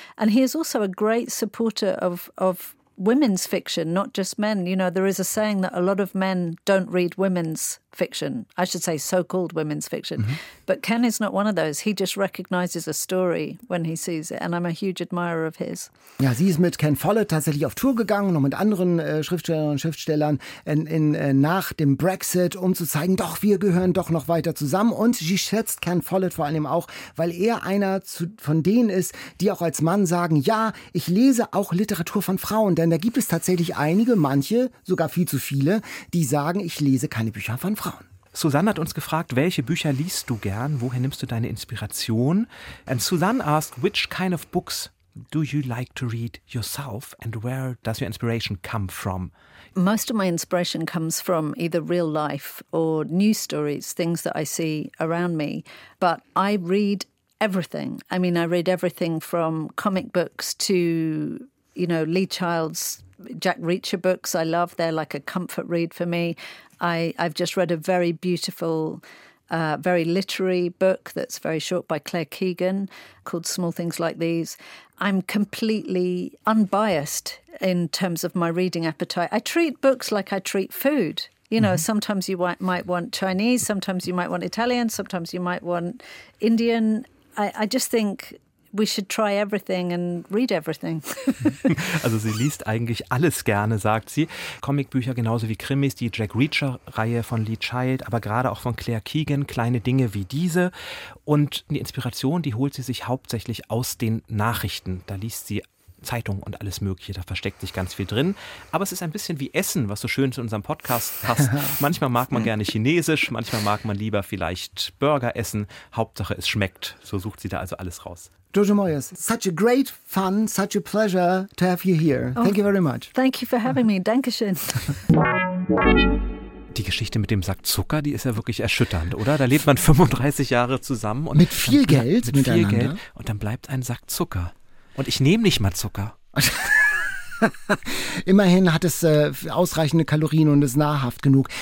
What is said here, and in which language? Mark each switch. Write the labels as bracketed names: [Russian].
[English] And he is also a great supporter of women's fiction, not just men. You know, there is a saying that a lot of men don't read women's fiction. I should say so-called women's fiction. Mm-hmm. But Ken is not one of those. He just recognizes a story when he sees it. And I'm a huge admirer of his. [German] Ja, sie ist mit Ken Follett tatsächlich auf Tour gegangen, noch mit anderen Schriftstellern und Schriftstellern nach dem Brexit, um zu zeigen, doch, wir gehören doch noch weiter zusammen. Und sie schätzt Ken Follett vor allem auch, weil er einer von denen ist, die auch als Mann sagen, ja, ich lese auch Literatur von Frauen. Denn da gibt es tatsächlich einige, manche, sogar viel zu viele, die sagen, ich lese keine Bücher von Frauen. Susanne hat uns gefragt, welche Bücher liest du gern? Woher nimmst du deine Inspiration? [English] And Susanne asked, which kind of books do you like to read yourself? And where does your inspiration come from? Most of my inspiration comes from either real life or news stories, things that I see around me. But I read everything. I mean, I read everything from comic books to, you know, Lee Child's Jack Reacher books. I love, they're like a comfort read for me. I've just read a very beautiful, very literary book that's very short by Claire Keegan called Small Things Like These. I'm completely unbiased in terms of my reading appetite. I treat books like I treat food. You know, mm-hmm. sometimes you might want Chinese, sometimes you might want Italian, sometimes you might want Indian. I just think we should try everything and read everything. [German] Also sie liest eigentlich alles gerne, sagt sie. Comicbücher genauso wie Krimis, die Jack Reacher-Reihe von Lee Child, aber gerade auch von Claire Keegan, kleine Dinge wie diese. Und die Inspiration, die holt sie sich hauptsächlich aus den Nachrichten. Da liest sie Zeitung und alles Mögliche, da versteckt sich ganz viel drin. Aber es ist ein bisschen wie Essen, was so schön zu unserem Podcast passt. Manchmal mag man gerne Chinesisch, manchmal mag man lieber vielleicht Burger essen. Hauptsache es schmeckt. So sucht sie da also alles raus. [English] Jojo Moyes, such a great fun, such a pleasure to have you here. Oh, thank you very much. Thank you for having me. Dankeschön. [German] Die Geschichte mit dem Sack Zucker, die ist ja wirklich erschütternd, oder? Da lebt man 35 Jahre zusammen. Und mit viel Geld miteinander. Mit viel Geld und dann bleibt ein Sack Zucker. Und ich nehme nicht mal Zucker. Immerhin hat es ausreichende Kalorien und ist nahrhaft genug.